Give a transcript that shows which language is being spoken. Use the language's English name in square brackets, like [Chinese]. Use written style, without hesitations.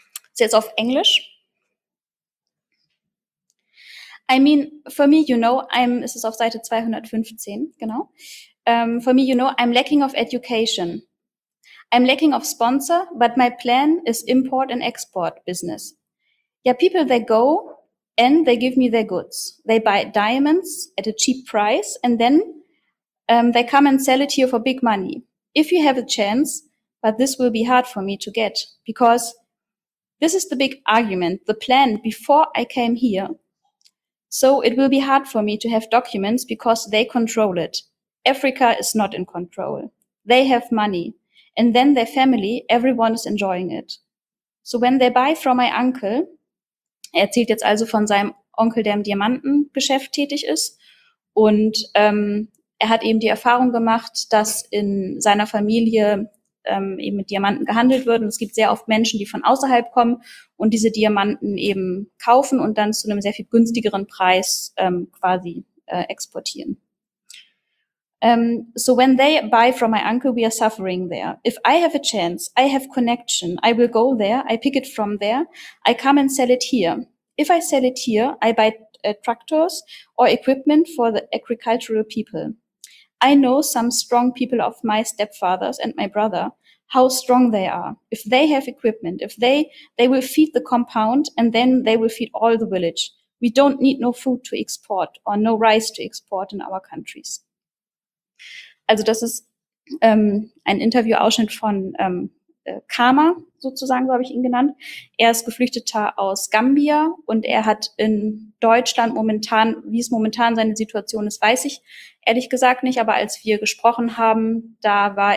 [English] It's [German] jetzt auf Englisch. [English] I mean, for me, you know, [German] es ist auf Seite 215, genau. [English] For me, you know, I'm lacking of education. I'm lacking of sponsor, but my plan is import and export business. Yeah, people, they go and they give me their goods. They buy diamonds at a cheap price and then they come and sell it here for big money. If you have a chance, but this will be hard for me to get, because this is the big argument, the plan before I came here. So it will be hard for me to have documents because they control it. Africa is not in control. They have money. And then their family, everyone is enjoying it. So when they buy from my uncle, [German] er erzählt jetzt also von seinem Onkel, der im Diamantengeschäft tätig ist, und er hat eben die Erfahrung gemacht, dass in seiner Familie eben mit Diamanten gehandelt wird. Und es gibt sehr oft Menschen, die von außerhalb kommen und diese Diamanten eben kaufen und dann zu einem sehr viel günstigeren Preis exportieren. [English] So when they buy from my uncle, we are suffering there. If I have a chance, I have connection, I will go there, I pick it from there, I come and sell it here. If I sell it here, I buy tractors or equipment for the agricultural people. I know some strong people of my stepfathers and my brother, how strong they are. If they have equipment, if they will feed the compound and then they will feed all the village. We don't need no food to export or no rice to export in our countries. [German] Also das ist ein Interviewausschnitt von Karma, sozusagen, so habe ich ihn genannt. Er ist Geflüchteter aus Gambia und er hat in Deutschland momentan, wie es momentan seine Situation ist, weiß ich ehrlich gesagt nicht, aber als wir gesprochen haben, da